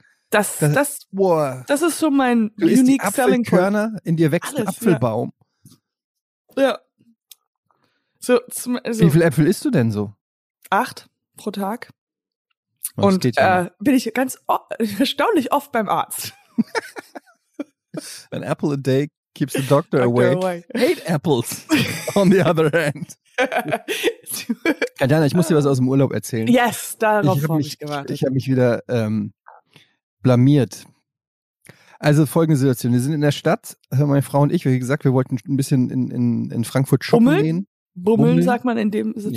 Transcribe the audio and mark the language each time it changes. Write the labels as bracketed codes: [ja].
[de] Das ist so mein [en] unique selling point. [de] Körner in dir wächst alles, ein Apfelbaum. Ja. So, wie viele Äpfel isst du denn so? 8 pro Tag. Oh, und bin ich ganz erstaunlich oft beim Arzt. [en] An apple a day keeps the doctor away. 8 apples on the other hand. [de] Adana, ich muss dir was aus dem Urlaub erzählen. Yes, darauf habe ich gewartet. Ich habe mich wieder blamiert. Also folgende Situation. Wir sind in der Stadt, meine Frau und ich, wie gesagt, wir wollten ein bisschen in Frankfurt shoppen gehen. Bummeln, sagt man in dem Sinne.